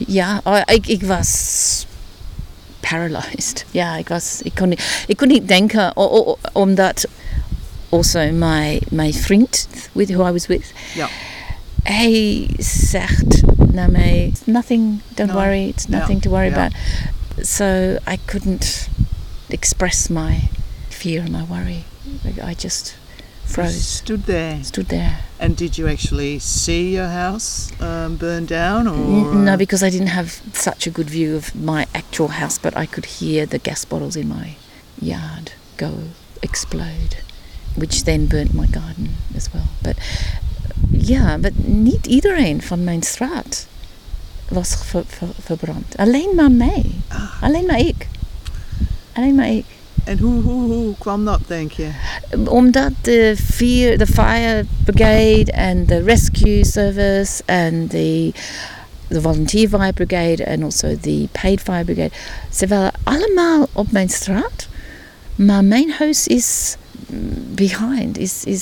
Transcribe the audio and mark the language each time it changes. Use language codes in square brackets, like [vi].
[nl] Ja, ik was paralyzed. Ja, ik kon niet denken, omdat [en] also my [nl] vriend [en] with who I was with. [nl] Ja. Hij zegt naar mij, [en] it's nothing to worry about. So I couldn't express my fear and my worry. I just froze. You stood there. Stood there. And did you actually see your house burn down? Or? No, because I didn't have such a good view of my actual house, but I could hear the gas bottles in my yard go explode, which then burnt my garden as well. But yeah, but [nl] niet iedereen van mijn straat was verbrand. Alleen maar mij. Ah. Alleen maar ik. En hoe kwam dat, denk je? [en] Omdat the fire brigade and the rescue service and the volunteer fire brigade and also the paid fire brigade, [nl] ze waren allemaal op mijn straat, maar mijn huis is [en] behind, is